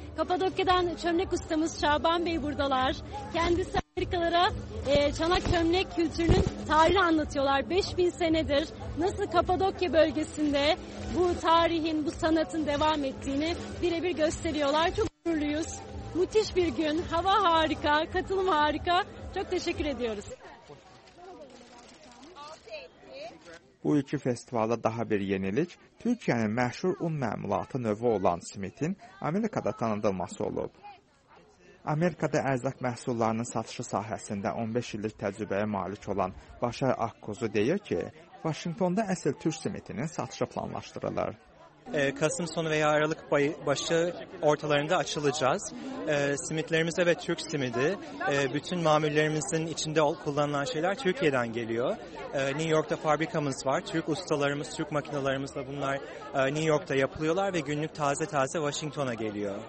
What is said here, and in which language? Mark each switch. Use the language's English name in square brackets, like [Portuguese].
[Turkish] Kapadokya'dan çömlek ustamız Şaban Bey buradalar. Kendisi Amerikalara çanak çömlek kültürünün tarihi anlatıyorlar. 5000 senedir nasıl Kapadokya bölgesinde bu tarihin, bu sanatın devam ettiğini birebir gösteriyorlar. Çok gururluyuz. Müthiş bir gün. Hava harika, katılım harika. Çok teşekkür ediyoruz. [Azerbaijani] Bu iki festivalda daha bir yenilik, Türkiyənin məşhur un məmulatı növü olan simitin Amerikada tanıdılması olub. Amerikada ərzaq məhsullarının satışı sahəsində 15 illik təcrübəyə malik olan Başar Akkuzu deyir ki, Vaşinqtonda əsl Türk simitinin satışı planlaşdırılır. [Turkish] Kasım sonu veya Aralık başı ortalarında açılacağız. Simitlerimiz evet Türk simidi. Bütün mamullerimizin içinde kullanılan şeyler Türkiye'den geliyor. New York'ta fabrikamız var. Türk ustalarımız, Türk makinalarımızla bunlar New York'ta yapılıyorlar ve günlük taze taze Washington'a geliyor.